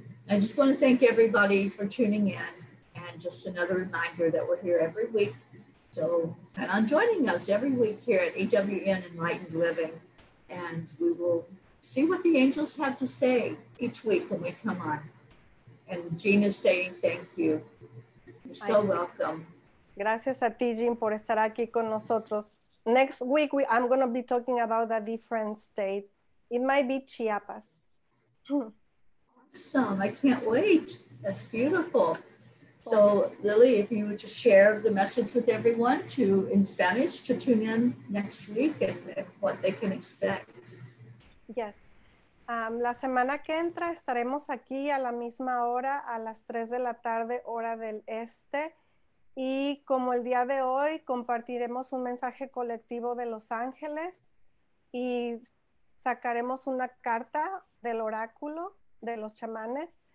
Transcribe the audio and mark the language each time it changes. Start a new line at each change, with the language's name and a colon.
English: I just want to thank everybody for tuning in, and just another reminder that we're here every week. So plan on joining us every week here at AWN Enlightened Living, and we will see what the angels have to say each week when we come on. And Jean is saying thank you. You're so welcome.
Spanish: Gracias a ti, Jean, por estar aquí con nosotros.
English: Next week, I'm going to be talking about a different state. It might be Chiapas. Awesome. I can't wait. That's beautiful. So, Lily, if you would just share the message with everyone to in Spanish to tune in next week and what they can expect. Yes.
Spanish: La semana que entra estaremos aquí a la misma hora, a las 3 de la tarde, hora del este. Y como el día de hoy, compartiremos un mensaje colectivo de Los Ángeles y sacaremos una carta del oráculo de los chamanes.